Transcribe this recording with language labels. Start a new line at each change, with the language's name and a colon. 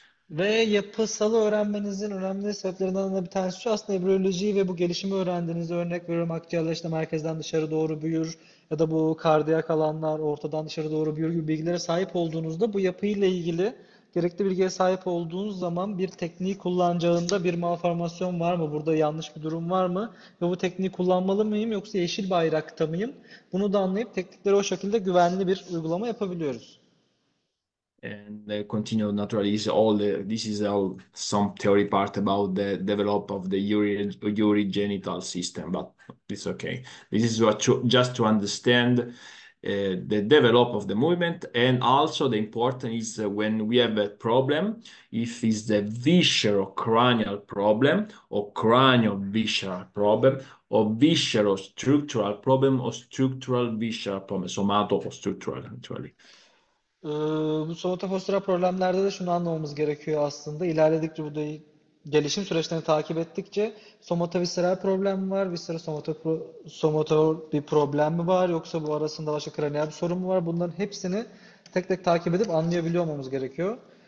Turkish: Ve yapısalı öğrenmenizin önemli sebeplerinden de bir tanesi şu, aslında embriyoloji ve bu gelişimi öğrendiğiniz, örnek veriyorum akciğerler işte merkezden dışarı doğru büyür ya da bu kardiyak alanlar ortadan dışarı doğru büyür gibi bilgilere sahip olduğunuzda, bu yapıyla ilgili gerekli bilgiye sahip olduğunuz zaman bir tekniği kullanacağında bir malformasyon var mı? Burada yanlış bir durum var mı? Ve bu tekniği kullanmalı mıyım yoksa yeşil bayrakta mıyım? Bunu da anlayıp teknikleri o şekilde güvenli bir uygulama yapabiliyoruz.
English: And continue naturally is all the, this is all some theory part about the develop of the urogenital system, but it's okay. This is what just to understand the develop of the movement, and also the important is when we have a problem, if it's the visceral cranial problem or cranial visceral problem or visceral structural problem or structural visceral problem, somato or structural naturally.
Turkish: Bu somatopostural problemlerde de şunu anlamamız gerekiyor aslında. İlerledikçe bu da gelişim süreçlerini takip ettikçe somatovisceral problem mi var, visceral somato bir problem mi var, yoksa bu arasında başka kraniyel bir sorun mu var? Bunların hepsini tek tek takip edip anlayabiliyor olmamız gerekiyor.